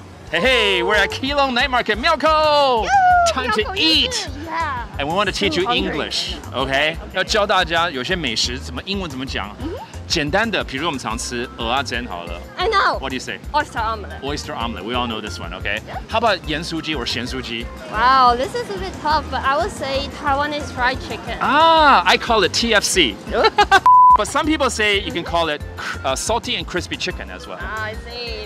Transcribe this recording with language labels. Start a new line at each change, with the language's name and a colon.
English: Hey, hey, we're at Keelung Night Market, Miyoko! Time to eat! Yeah. And we want to teach you English, okay?
Chinese: 要教大家有些美食怎么英文怎么讲。简单的，比如我们常吃蚵仔煎好了。
English: I know. What do you say? Oyster omelette. Oyster omelette, we all know this one, okay? How about 盐酥鸡 or 咸酥鸡? Wow, this is a bit tough, but I would say Taiwanese fried chicken. Ah, I call it TFC. But some people say you can call it salty and crispy chicken as well. I see.